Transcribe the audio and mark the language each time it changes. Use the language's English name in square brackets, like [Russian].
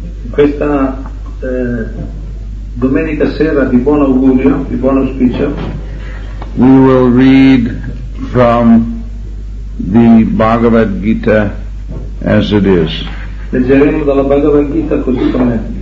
[Italian] questa domenica sera di buon augurio, di buon auspicio, [English] we will read from the Bhagavad Gita as it is. [Italian] Leggeremo dalla Bhagavad Gita così com'è.